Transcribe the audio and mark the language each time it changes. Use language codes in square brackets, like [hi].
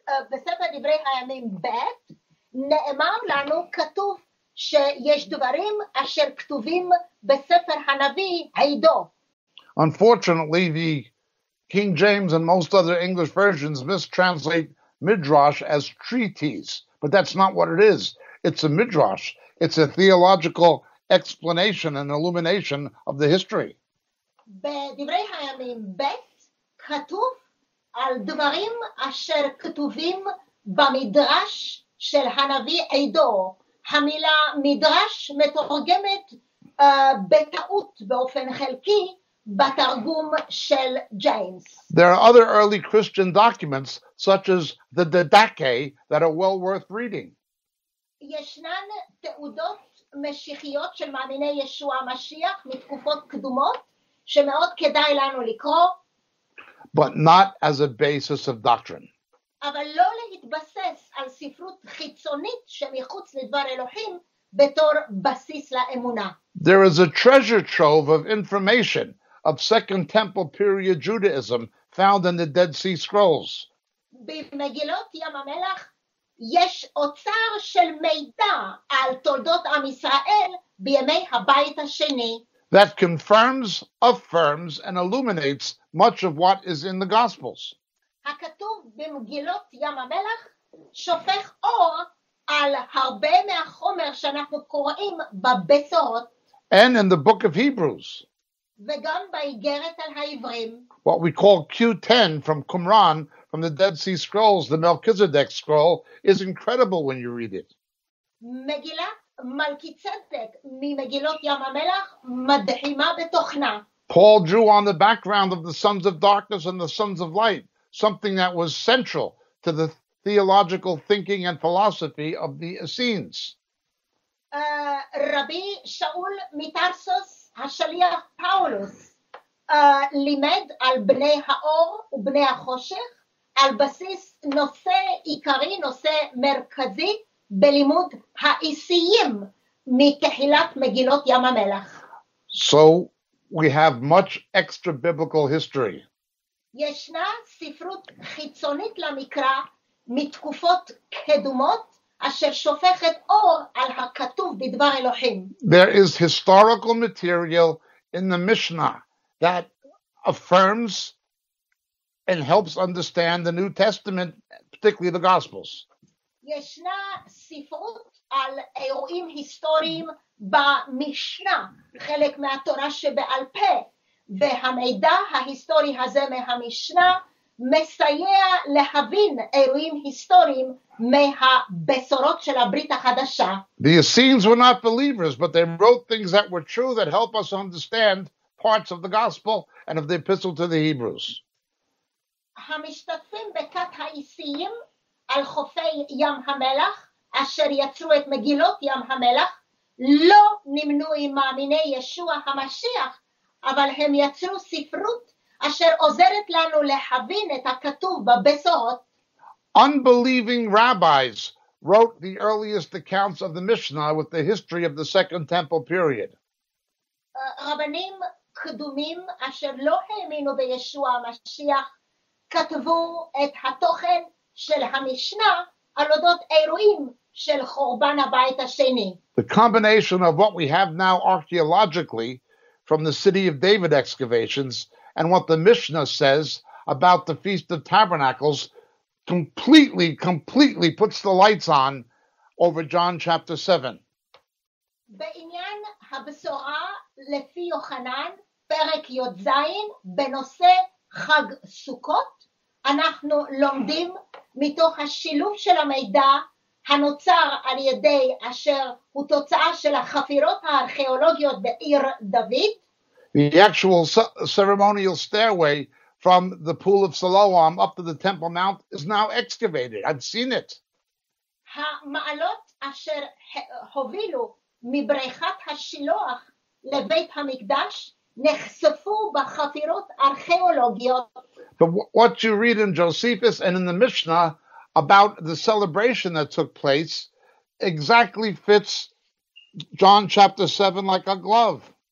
[he] בספר דברי הימים ב' נאמר לנו כתוב שיש דברים אשר כתובים בספר הנביא עידו. [en] Unfortunately, the King James and most other English versions mistranslate Midrash as treatise, but that's not what it is. It's a Midrash. It's a theological explanation and illumination of the history. [he] בדברי הימים ב' כתוב על דברים אשר כתובים במדרש של הנביא עידו. המילה מדרש מתורגמת בטעות באופן חלקי בתרגום של ג'יימס. [en] There are other early Christian documents, such as the Didache, that are well worth reading. [he] ישנן תעודות משיחיות של מאמיני ישוע המשיח מתקופות קדומות, שמאוד כדאי לנו לקרוא. [en] But not as a basis of doctrine. [he] אבל לא להתבסס על ספרות חיצונית שמחוץ לדבר אלוהים בתור בסיס לאמונה. [en] There is a treasure trove of information of Second Temple period Judaism found in the Dead Sea Scrolls. [he] במגילות ים המלח יש אוצר של מידע על תולדות עם ישראל בימי הבית השני. [en] That confirms, affirms, and illuminates much of what is in the Gospels. [he] הכתוב במגילות ים המלח שופך אור על הרבה מהחומר שאנחנו קוראים בבשורות. [en] And in the book of Hebrews. [he] וגם באיגרת על העברים. [en] What we call Q10 from Qumran, from the Dead Sea Scrolls, the Melchizedek scroll, is incredible when you read it. [he] מגילת מלכי צדק ממגילות ים המלח מדהימה בתוכנה. [en] Paul drew on the background of the sons of darkness and the sons of light, something that was central to the theological thinking and philosophy of the Essenes. [he] רבי שאול מטרסוס השליח פאולוס לימד על בני האור ובני החושך על בסיס נושא עיקרי, נושא מרכזי בלימוד האיסיים מתחילת מגילות ים המלח. [en] So we have much extra biblical history. [he] ישנה ספרות חיצונית למקרא מתקופות קדומות אשר שופכת אור על הכתוב בדבר אלוהים. [en] There is historical material in the Mishnah that affirms and helps understand the New Testament, particularly the Gospels. [he] ישנה ספרות על אירועים היסטוריים במשנה, חלק מהתורה שבעל פה, והמידע ההיסטורי הזה מהמשנה מסייע להבין אירועים היסטוריים מהבשורות של הברית החדשה. [en] The Essenes were not believers, but they wrote things that were true that help us understand parts of the gospel and of the epistle to the Hebrews. [he] המשתתפים בכת האיסיים על חופי ים המלח, אשר יצרו את מגילות ים המלח, לא נמנו עם מאמיני ישוע המשיח, אבל הם יצרו ספרות אשר עוזרת לנו להבין את הכתוב בבשורות. [en] Unbelieving rabbis wrote the earliest accounts of the Mishnah with the history of the Second Temple period. [he] רבנים קדומים אשר לא האמינו בישוע המשיח כתבו את התוכן של המשנה על אודות אירועים של חורבן הבית השני. [en] The combination of what we have now archaeologically from the City of David excavations and what the Mishnah says about the Feast of Tabernacles completely puts the lights on over John chapter 7. [he] בעניין הבשורה לפי יוחנן, פרק י"ז, בנושא חג סוכות, אנחנו לומדים מתוך השילוב של המידע הנוצר על ידי אשר הוא תוצאה של החפירות הארכיאולוגיות בעיר דוד. [en] The actual ceremonial stairway from the pool of Siloam up to the Temple Mount is now excavated. I've seen it. [he] המעלות אשר הובילו מבריכת השילוח לבית המקדש נחשפו בחפירות ארכיאולוגיות. [en] But what you read in Josephus and in the Mishnah about the celebration that took place exactly fits John chapter 7 like a glove.